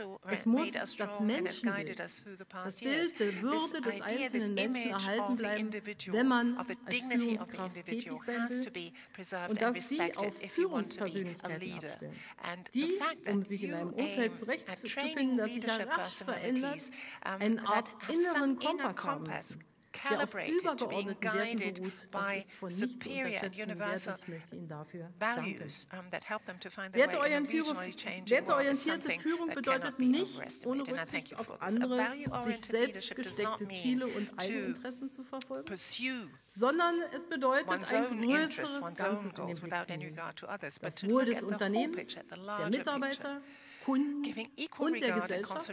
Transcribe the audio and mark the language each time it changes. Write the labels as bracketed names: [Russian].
[German] Es muss das Menschenbild, das Bild der Würde des einzelnen Menschen erhalten bleiben, wenn man als Führungskraft tätig sein will und dass sie auf Führungspersönlichkeiten abstellen. Die, um sich in einem Umfeld zurechtzufinden, das sich rasch verändert, eine Art inneren Kompass haben müssen. [English] Calibrated to being guided by superior and universal values that help them to find their way in a visually changing world. [German] Werteorientierte Führung bedeutet nicht, ohne Rücksicht auf andere, sich selbst gesteckte Ziele und eigene Interessen zu verfolgen, sondern es bedeutet, ein größeres Ganzes in den Blick zu nehmen. Das Wohl des Unternehmens, der Mitarbeiter, Kunden und der Gesellschaft.